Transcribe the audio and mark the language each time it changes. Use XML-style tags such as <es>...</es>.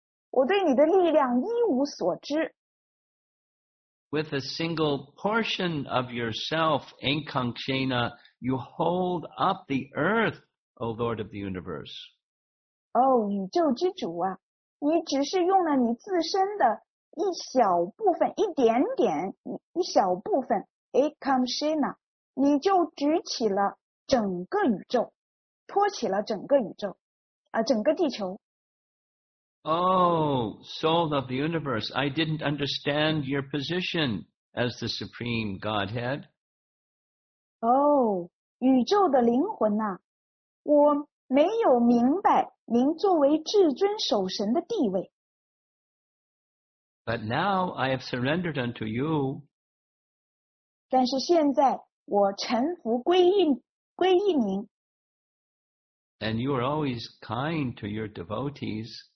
<zh>我对你的力量一无所知。</zh> <en>With a single portion of yourself, Ankangshena, you hold up the earth, O Lord of the universe.</en> <zh>哦，宇宙之主啊， 你只是用了你自身的 一小部分，一点点，一小部分 ，Ankangshena， 你就举起了整个宇宙，托起了整个宇宙，整个地球。</zh> <en>Oh, soul of the universe, I didn't understand your position as the supreme Godhead.</en> <zh>Oh, 宇宙的灵魂啊，我没有明白您作为至尊守神的地位。</zh> <en>But now I have surrendered unto you.</en> <zh>但是现在我臣服归于您。</zh> <en>And you are always kind to your devotees.</en>